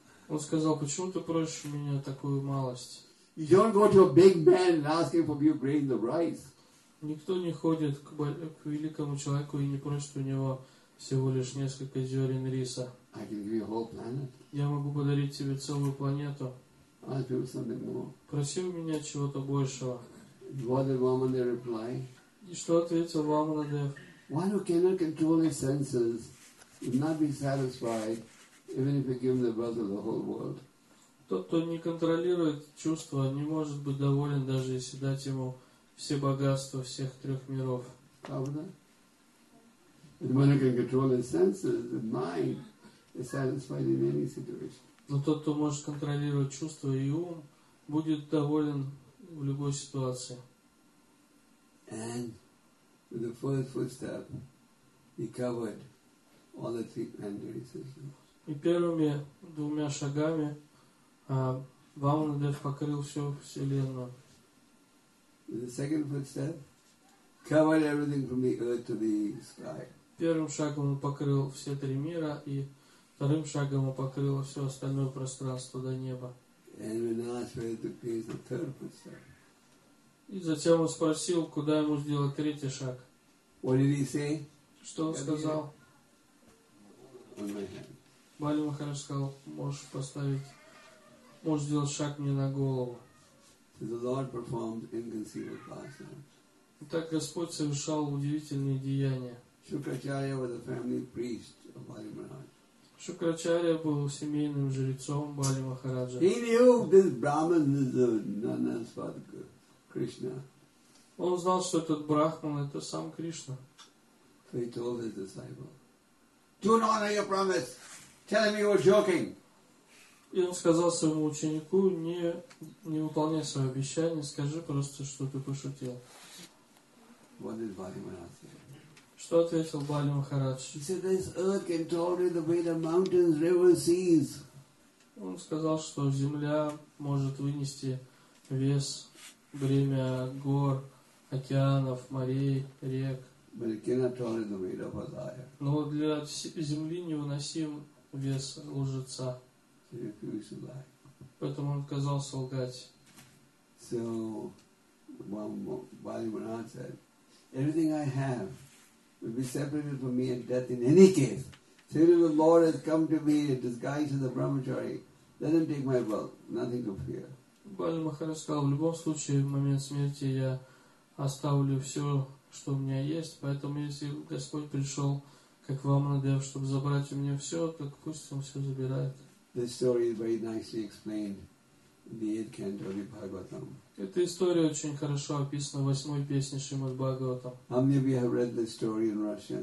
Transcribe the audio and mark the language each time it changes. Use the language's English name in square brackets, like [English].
[Russian] Он сказал, почему ты просишь у меня такую малость? [English] You don't go to a big man and ask him for your grain of rice. [Russian] Никто не ходит к великому человеку и не просит у него всего лишь несколько зерен риса. [English] I can give you a whole planet. [Russian] Я могу подарить тебе целую планету. [English] I'll give you something more. [Russian] Проси у меня чего-то большего. [English] What did Vamana reply? [Russian] И что ответил Вамана-дев? [English] One who cannot control his senses would not be satisfied even if he gave the brother the whole world. [Russian] Тот, кто не контролирует чувства, не может быть доволен, даже если дать ему все богатства всех трех миров. Правда? [English] The one who can control his senses, the mind, is satisfied in any situation. [Russian] Но тот, кто может контролировать чувства и ум, будет доволен в любой ситуации. [English] And with the first footstep, he covered all the three planetary systems. [Russian] И первыми двумя шагами Вамана-дев покрыл всю Вселенную. [English] The second footstep covered everything from the earth to the sky. [Russian] Первым шагом он покрыл все три мира, и вторым шагом он покрыл все остальное пространство до неба. [English] And we asked where to place the third footstep. [Russian] И затем он спросил, куда ему сделать третий шаг. [English] What did he say? [Russian] Что он сказал? [English] On my hand. [Russian] Бали Махарадж сказал, можешь поставить, можешь сделать шаг мне на голову. [English] The Lord performed inconceivable pastimes. [Russian] Итак, Господь совершал удивительные деяния. [English] Шукрачарья was a family priest of Бали [Russian] Махараджа. Шукрачарья был семейным жрецом Бали Махараджа. [English] He knew this Brahman is the Nanaswad Krishna. [Russian] Он знал, что этот Брахман это сам Кришна. [English] So he told his disciple, do not honor your promise. Tell him you were joking. [Russian] И он сказал своему ученику, не выполняй свое обещание, скажи просто, что ты пошутил. [English] What did Бали Махарадж say? [Russian] Что ответил Бали Махарадж? [English] He said, this earth can tolerate the weight of mountains, rivers, seas. [Russian] Он сказал, что земля может вынести вес, бремя гор, океанов, морей, рек. [English] But it cannot tolerate the weight of a liar. [Russian] Но для земли невыносим вес лжеца. [English] So [Russian] поэтому он отказался лгать. [English] So, Bali Maharaj said, everything I have will be separated from me at death in any case. Say so, the Lord has come to me in disguise as a brahmachari. Let him take my wealth. Nothing to fear. [Russian] Бали Махарадж сказал, в любом случае, в момент смерти я оставлю все, что у меня есть. Поэтому, если Господь пришел как Вамана-дев, чтобы забрать у меня все, так пусть он все забирает. [English] This story is very nicely explained in the 8th canto of Bhagavatam. [Russian] Эта история очень хорошо описана в 8-й песне Шримад-Бхагаватам. [English] How many of you have read this story in Russian?